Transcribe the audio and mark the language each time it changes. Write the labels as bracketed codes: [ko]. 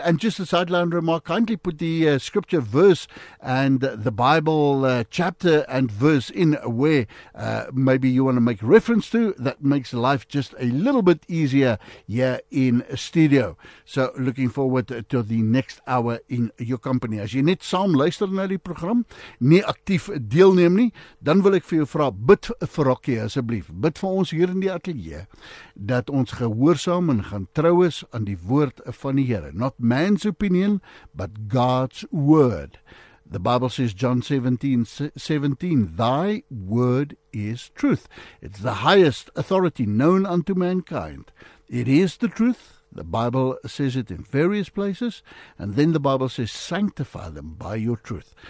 [en] And just a sideline remark, kindly put the scripture verse and the Bible chapter and verse in where maybe you want to make reference to. That makes life just a little bit easier here in studio. So looking forward to the next hour in your company. [af] As jy net saam luister na die program, nie aktief deelneem nie, dan wil ek vir jou vraag, bid vir Rocky asseblief, bid vir ons hier in die ateljee, dat ons gehoorsaam en gaan trou is aan die woord van die Here. [en] Not man's opinion, but God's word. The Bible says, John 17:17, thy word is truth. It's the highest authority known unto mankind. It is the truth. The Bible says it in various places, and then the Bible says, sanctify them by your truth.